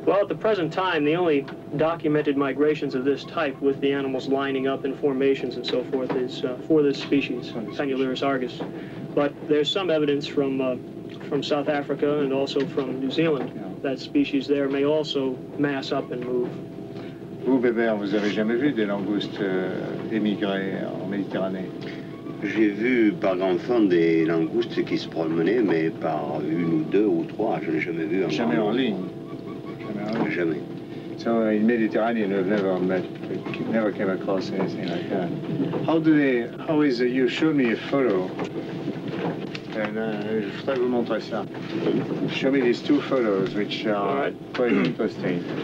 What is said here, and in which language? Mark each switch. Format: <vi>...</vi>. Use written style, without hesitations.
<en>Well, at the present time, the only documented migrations of this type with the animals lining up in formations and so forth is for this species, Penulurus argus. But there's some evidence from South Africa and also from New Zealand that species there may also mass up and move.</en> <fr>Vous, Bébert, vous avez jamais vu des langoustes émigrer en Méditerranée? J'ai vu par l'enfant des langoustes qui se promenaient, mais par une ou deux ou trois, je n'ai jamais vu. Jamais en ligne. Jamais.</fr> <en>So in Mediterranean, we've never came across anything like that. You show me a photo.</en> <fr>Je voudrais vous montrer ça.</fr> <en>Show me these two photos, which are quite interesting.</en>